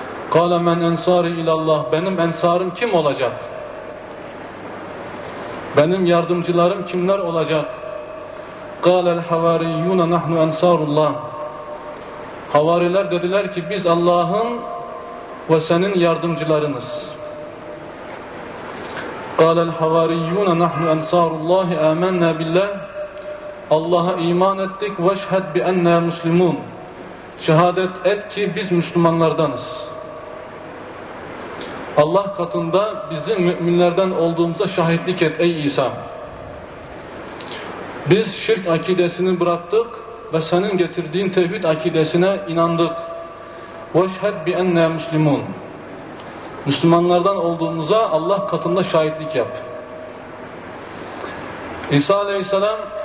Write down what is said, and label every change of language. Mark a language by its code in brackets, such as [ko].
[ar] قَالَ مَنْ اَنْسَارِ اِلَى اللّٰهِ [tr] benim ensarım kim olacak? Benim yardımcılarım kimler olacak? [ar] قَالَ الْحَوَارِيُّونَ نَحْنُ اَنْسَارُ اللّٰهِ [tr] Havariler dediler ki biz Allah'ın ve senin yardımcılarınız. [ar] قَالَ الْحَوَارِيُّونَ نَحْنُ اَنْسَارُ اللّٰهِ اَمَنَّا بِاللّٰهِ [tr] Allah'a iman ettik [ar] وَاشْهَدْ بِاَنَّا مُسْلِمُونَ [tr] Şehadet et ki biz Müslümanlardanız. Allah katında bizim müminlerden olduğumuza şahitlik et ey İsa. Biz şirk akidesini bıraktık ve senin getirdiğin tevhid akidesine inandık. [ar] وَاشْهَدْ بِاَنَّا مُسْلِمُونَ [tr] Müslümanlardan olduğumuza Allah katında şahitlik yap. İsa aleyhisselam